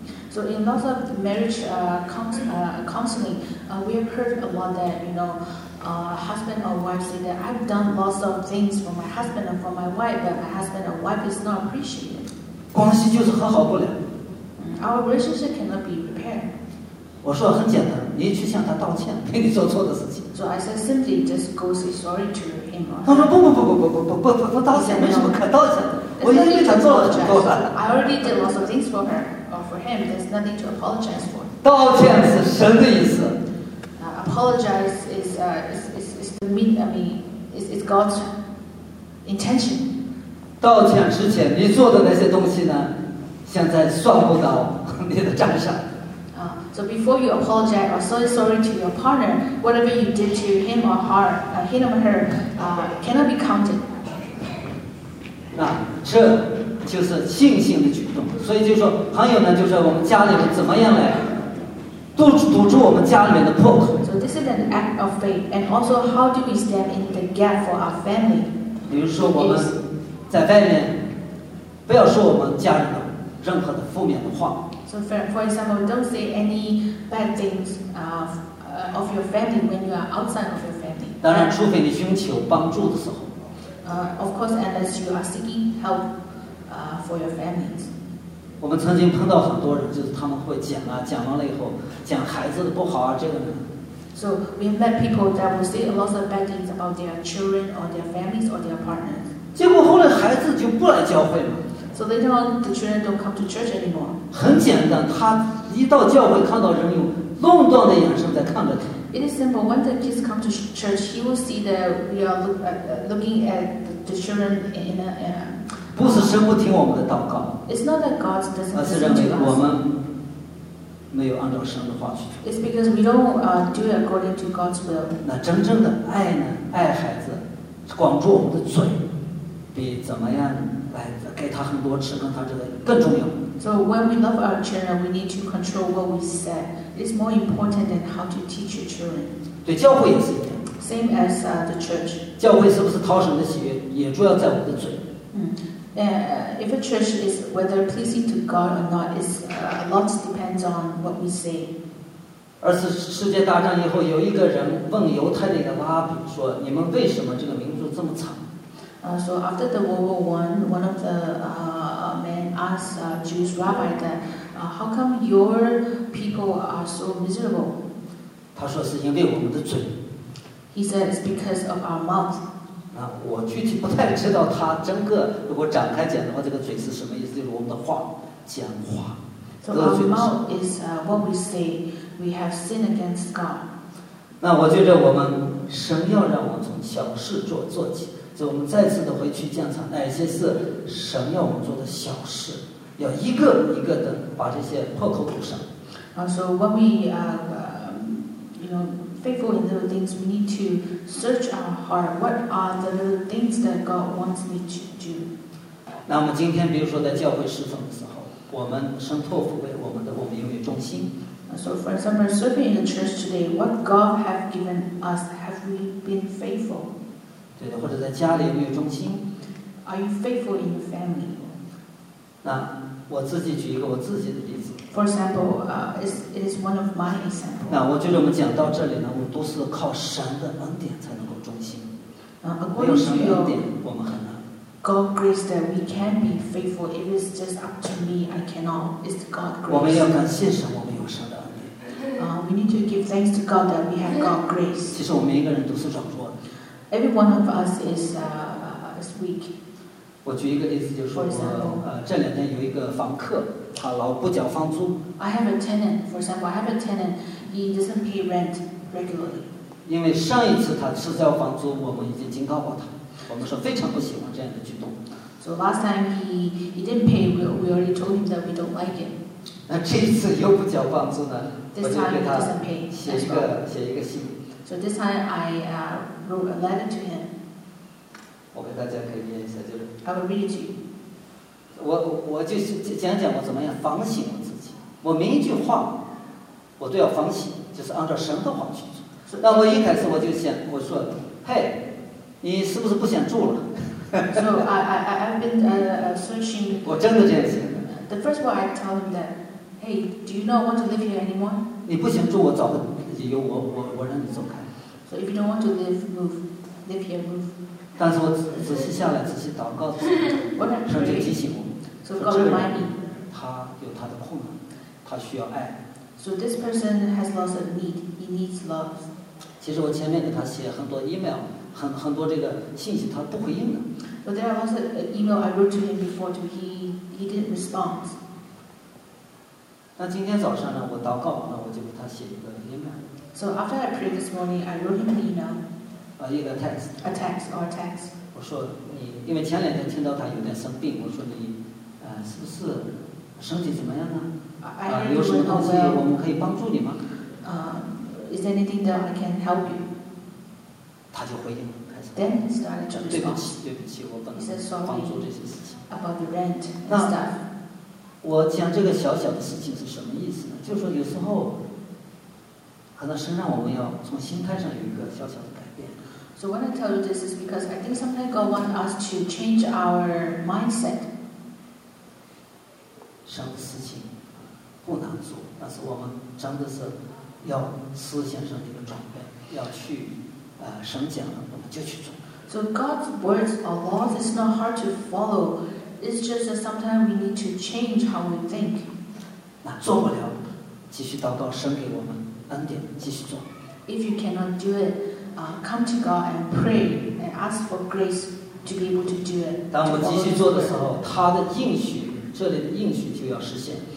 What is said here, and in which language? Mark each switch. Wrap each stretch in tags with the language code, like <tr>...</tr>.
<en>So in lots of marriage counseling, we have heard a lot that, you know, husband or wife say that I've done lots of things for my husband and for my wife, but my husband or wife is not appreciated.</en> <zh>关系就是和好不了。</zh> <en>Our relationship cannot be repaired.</en> <zh>我说很简单，你去向他道歉，给你做错的事情。</zh> <en>So I said simply just go say sorry to him.</en> <zh>他说不道歉，没什么可道歉的。我已经为他做了很多了。</zh> <en>I already did lots of things for her. For him, there's nothing to apologize for.</en> <zh>道歉是神的意思。</zh> <en>Apologize is God's intention.</en> <zh>道歉之前，你做的那些东西呢，现在算不到你的账上。</zh> <en>So before you apologize or say sorry to your partner, whatever you did to him or her, cannot be counted.</en> <zh>那这。就是信心的举动，所以就说还有呢，就是我们家里面怎么样来堵住我们家里面的破口。</zh> <en>So this is an act of faith, and also how do we stand in the gap for our family?</en> <zh>比如说我们在外面，不要说我们家人的任何的负面的话。</zh> <en>So for example, don't say any bad things of your family when you are outside of your family.</en> <zh>当然，除非你寻求帮助的时候。</zh> <en>Of course, unless you are seeking help. For your families.</en> <zh>我们曾经碰到很多人，就是他们会讲啊，讲完了以后，讲孩子的不好啊，这个人。</zh> <en>So we met people that will say a lot of bad things about their children or their families or their partners.</en> <zh>结果后来孩子就不来教会了。</zh> <en>So later on, the children don't come to church anymore.</en> <zh>很简单，他一到教会看到人用论断的眼神在看着他。</zh> <en>It is simple. When the kids come to church, he will see that we are looking at the children in a.</en> <zh>不是神不听我们的祷告，</zh> <en>It's not that God doesn't listen to us.</en> <zh>而是认为我们没有按照神的话去做。</zh> <en>It's because we don't do it according to God's will.</en> <zh>那真正的爱呢？爱孩子，管住我们的嘴，比怎么样来给他很多吃，跟他这个更重要。</zh> <en>So when we love our children, we need to control what we say. It's more important than how to teach your children.</en> <zh>对教会也是一样。</zh> <en>Same as the church.</en> <zh>教会是不是讨神的喜悦，也主要在我们的嘴。</zh> <en>If a church is whether pleasing to God or not, is a lot depends on what we say.</en> <zh>二次世界大战以后，有一个人问犹太里的拉比说：“你们为什么这个民族这么惨？”</zh> <en>So after the World War One, one of the men asked Jewish rabbi that, "How come your people are so miserable?"</en> <zh>他说是因为我们的嘴。</zh> <en>He said it's because of our mouth.</en> <zh>那我具体不太知道他整个如果展开讲的话，这个嘴是什么意思？就是我们的话，讲话。</zh> <en>So our mouth is what we say. We have sinned against God.</en> <zh>那我觉得我们神要让我们从小事做做起。所以我们再次的回去检查哪些是神要我们做的小事，要一个一个的把这些破口堵上。</zh> <en>So when we faithful in little things, we need to search our heart. What are the little things that God wants me to do?</en> <zh>那我们今天比如说在教会侍奉的时候，我们神托付为我们的，我们有没有忠心？</zh> <en>So for example, serving in the church today, what God have given us, have we been faithful?</en> <zh>对的，或者在家里有没有忠心</zh> <en>？Are you faithful in your family？</en> <zh>那我自己举一个我自己的例子。</zh> <en>For example, it is one of my example.</en> <zh>那我觉得我们讲到这里呢，我们都是靠神的恩典才能够忠心。没有神的恩典，我们很难。</zh> <en>God grace that we can be faithful. If it's just up to me, I cannot. It's God grace.</en> <zh>我们要感谢神，我们有神的恩典。</zh> <en>We need to give thanks to God that we have God grace.</en> <zh>其实我们一个人都是软弱的。</zh> <en>Every one of us is weak.</en> <zh>我举一个例子，就是说我这两天有一个房客，他老不缴房租。</zh> <en>I have a tenant. For example, I have a tenant. He doesn't pay rent regularly.</en> <zh>因为上一次他迟交房租，我们已经警告过他，我们说非常不喜欢这样的举动。</zh> <en>So last time he didn't pay, we already told him that we don't like it.</en> <zh>那这一次又不缴房租呢？</zh> <en>This time he doesn't pay.</en> <zh>我就给他写一个信。</zh> <en>So this time I wrote a letter to him.</en> <zh>我给大家可以念一下，就是。</zh> <en>I will read to you.</en> <zh>我就是讲讲我怎么样反省我自己。我每一句话，我都要反省，就是按照神的话去做。那我一开始我就想，我说，嘿，你是不是不想住了？</zh> <en>So I've been searching.</en> <zh>我真的这样想。</zh> <en>The first one I told him that, hey, do you not want to live here anymore?</en> <zh>你不想住，我找个。有我让你走开。</zh> <en>So if you don't want to live, move, live here, move.</en> <zh>但是我仔细下来，仔细祷告，神就提醒我。</zh> <en>So God remind me.</en> <zh>他有他的困难，他需要爱。</zh> <en>So this person has lots of need. He needs love.</en> <zh>其实我前面给他写很多 email, 很多这个信息，他不回应的。</zh> <en>But there are lots of email I wrote to him before, too. He didn't respond.</en> <zh>那今天早上呢，我祷告，那我就给他写一个。</zh> <en>So after I prayed this morning, I wrote him an email.</en> <zh>一个 text.</zh> <en>A text or a text.</en> <zh>我说你，因为前两天听到他有点生病，我说你，是不是身体怎么样呢？有什么东西我们可以帮助你吗？</zh> <en>Is there anything that I can help you?</en> <zh>他就回应了，开始。</zh> <en>Then he started to respond.</en> <zh>对不起，我本来帮助这些事情。</zh> <en>About the rent and stuff.</en> <zh>我讲这个小小的事情是什么意思呢？就是说有时候。可能神让我们要从心态上有一个小小的改变。</zh> <en>So when I tell you this is because I think sometimes God wants us to change our mindset.</en> <zh>神的事情不难做，但是我们真的是要思想上的一个转变，要去神讲了，我们就去做。</zh> <en>So God's words or laws is not hard to follow. It's just that sometimes we need to change how we think.</en> <zh>那做不了，继续祷告神给我们。恩典，继续做。</zh> <en>If you cannot do it, come to God and pray and ask for grace to be able to do it.</en> <zh>当我们继续做的时候，他的应许，这里的应许就要实现。</zh>